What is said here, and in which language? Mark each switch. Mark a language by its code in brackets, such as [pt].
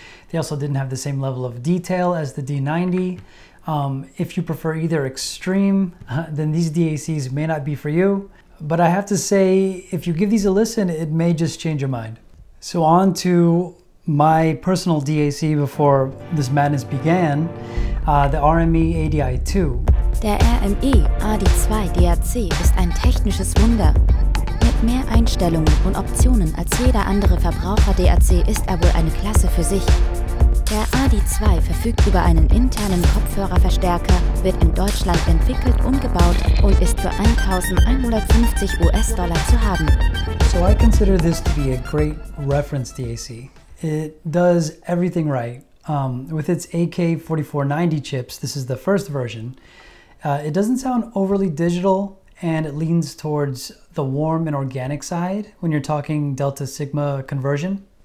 [en] They also didn't have the same level of detail as the D90. If you prefer either extreme, then these DACs may not be for you. But I have to say, if you give these a listen, it may just change your mind. So on to my personal DAC before this madness began, the RME ADI-2. [de] Der RME ADI-2 DAC ist ein technisches Wunder. Mit mehr Einstellungen und Optionen als jeder andere Verbraucher DAC ist er wohl eine Klasse für sich. Der ADI-2 verfügt über einen internen Kopfhörerverstärker, wird in Deutschland entwickelt und gebaut und ist für 1150 US-Dollar zu haben. [en] So I consider this to be a great reference DAC. It does everything right. With its AK4490 chips, this is the first version. It doesn't sound overly digital and it leans towards the warm and organic side when you're talking Delta Sigma conversion.